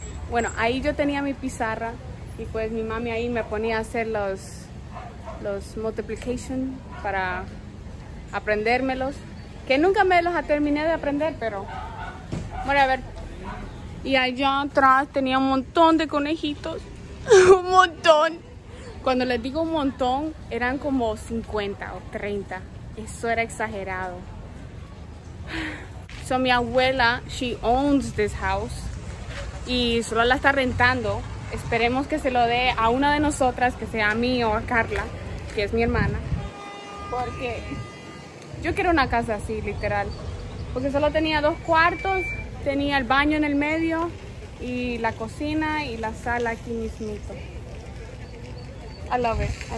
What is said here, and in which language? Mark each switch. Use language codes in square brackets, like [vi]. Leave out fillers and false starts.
[es] Bueno, ahí yo tenía mi pizarra y pues mi mami ahí me ponía a hacer los multiplication para aprendérmelos. Que nunca me los terminé de aprender, pero bueno, a ver. Y allá atrás tenía un montón de conejitos. Un montón. Cuando les digo un montón, eran como 50 o 30. Eso era exagerado. [en] So [es] mi abuela, [en] she owns this house. [es] y solo la está rentando. Esperemos que se lo dé a una de nosotras, que sea a mí o a Carla, que es mi hermana. Porque yo quiero una casa así, literal. Porque solo tenía 2 cuartos, tenía el baño en el medio y la cocina y la sala aquí mismito. [en] I love it.